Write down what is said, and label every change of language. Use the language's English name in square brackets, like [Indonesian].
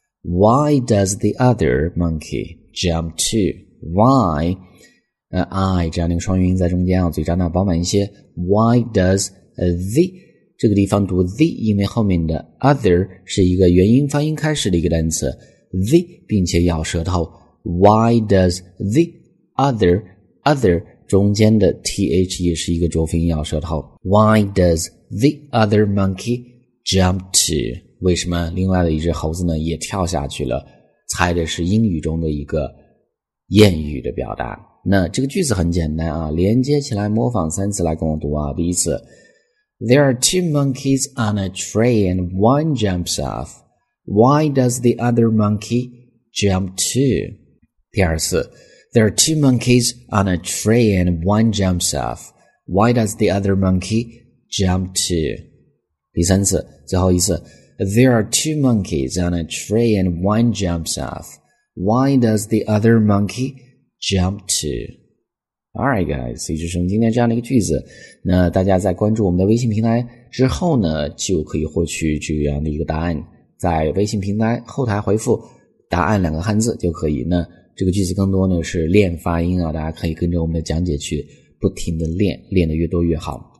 [English] Why does the other monkey jump too? Why? [Chinese] I 这样的一个双元音在中间啊，嘴张大饱满一些。 [English] Why does the [Chinese] 这个地方读 the， 因为后面的 other 是一个元音发音开始的一个单词 the， 并且咬舌头。 [English] Why does the other [Chinese] 中间的 th 也是一个浊辅音咬舌头。 [English] Why does the other monkey jump to？ [Chinese] 为什么另外的一只猴子呢也跳下去了？猜的是英语中的一个谚语的表达。那这个句子很简单啊，连接起来模仿三次来跟我读啊。第一次 [English] ,There are two monkeys on a tree and one jumps off. Why does the other monkey jump too? [Chinese] 第二次 [English] ,There are two monkeys on a tree and one jumps off. Why does the other monkey jump too? [Chinese] 第三次最后一次 [English] ,There are two monkeys on a tree and one jumps off. Why does the other monkey jump to. Alright guys, [Chinese] 一直使用今天这样的一个句子，那大家在关注我们的微信平台之后呢，就可以获取这样的一个答案，在微信平台后台回复答案两个汉字就可以。那这个句子更多呢是练发音啊，大家可以跟着我们的讲解去不停的练，练得越多越好。